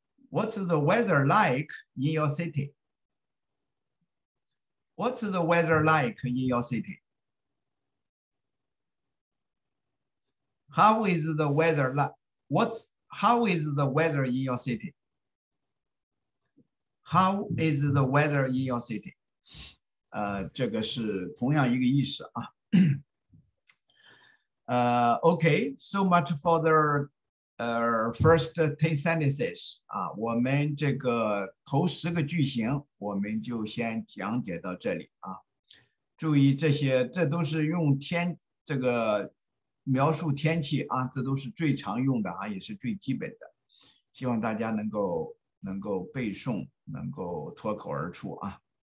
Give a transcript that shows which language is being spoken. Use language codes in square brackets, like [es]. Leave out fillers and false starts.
[en] What's the weather like in your city? What's the weather like in your city? How is the weather like? What's how is the weather in your city? How is the weather in your city? [zh] 这个是同样一个意思啊。 [en] okay, so much for the first 10 sentences 啊。 [zh] 我们这个头十个句型，我们就先讲解到这里啊。注意这些，这都是用天这个。描述天气啊，这都是最常用的啊，也是最基本的。希望大家能够背诵，能够脱口而出啊。